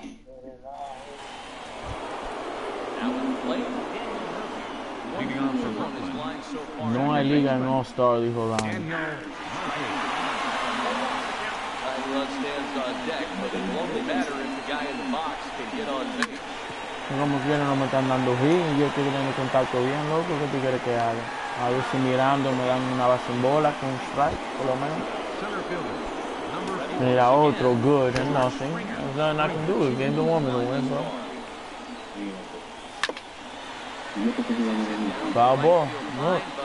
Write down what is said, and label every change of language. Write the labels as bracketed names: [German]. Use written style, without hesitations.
[English] Now in the plate, hitting Murphy. One from his line so far. No, I league an all star, Lee. Hold on. Everyone stands on deck, but it will only matter if the guy in the box can get on base. [Spanish] Vamos bien, no me están dando hit, yo estoy teniendo contacto bien, loco, ¿qué tú quieres que haga? A ver si mirando me dan una base en bola con un strike, por lo menos. Mira, otro, [English] good, and nothing. There's nothing I can do, the game don't want me to win, bro. Foul ball, look.